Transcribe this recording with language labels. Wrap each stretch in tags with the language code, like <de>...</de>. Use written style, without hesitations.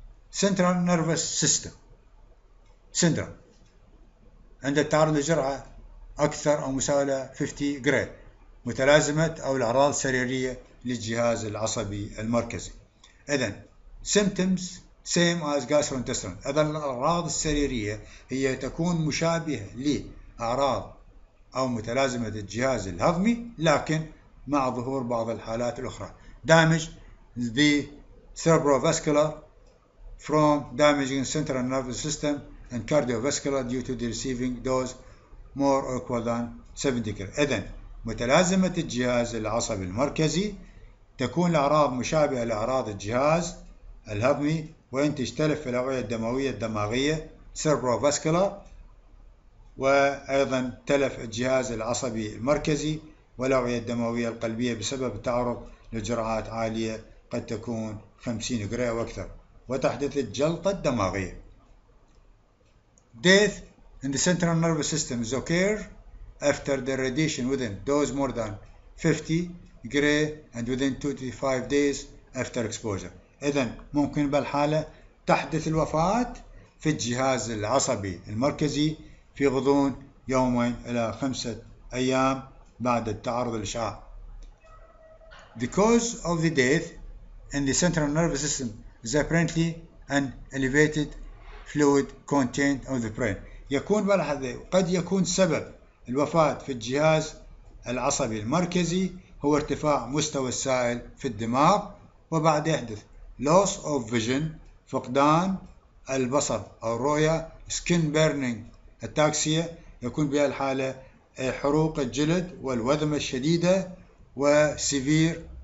<en>Central nervous system syndrome</en> <ar>عند التعرض للجرعة أكثر أو مساوي 50 جريد متلازمة أو الأعراض السريرية للجهاز العصبي المركزي.</ar> <en>إذن symptoms same as gastrointestinal.</en> <ar>إذا الأعراض السريرية هي تكون مشابهة لأعراض أو متلازمة الجهاز الهضمي لكن مع ظهور بعض الحالات الأخرى.</ar> <en>Damage the cerebrovascular from damaging central nervous system and cardiovascular due to the receiving dose more or equal than 70 gray.</en> <ar>إذن متلازمة الجهاز العصبي المركزي تكون الأعراض مشابهة لأعراض الجهاز الهضمي وإن تختلف في الأوعية الدموية الدماغية cerebrovascular وأيضا تلف الجهاز العصبي المركزي والأوعية الدموية القلبية بسبب التعرض لجرعات عالية قد تكون 50 جرام أو أكثر وتحدث الجلطة الدماغية.</ar> <en>Death in the central nervous system is occur after the radiation within dose more than 50 gray and within 2-5 days after exposure.</en> <ar>إذن ممكن بالحالة تحدث الوفاة في الجهاز العصبي المركزي في غضون 2 إلى 5 أيام بعد التعرض للإشعاع.</ar> <en>The cause of the death in the central nervous system is apparently an elevated fluid content of the brain.</en> <ar>يكون بالحالة قد يكون سبب الوفاة في الجهاز العصبي المركزي هو ارتفاع مستوى السائل في الدماغ وبعد يحدث</ar> <en>loss of vision</en> <ar>فقدان البصر أو الرؤية</ar> <en>skin burning</en> <ar>التاكسية يكون بها الحالة حروق الجلد والوذمة الشديدة و severe</ar>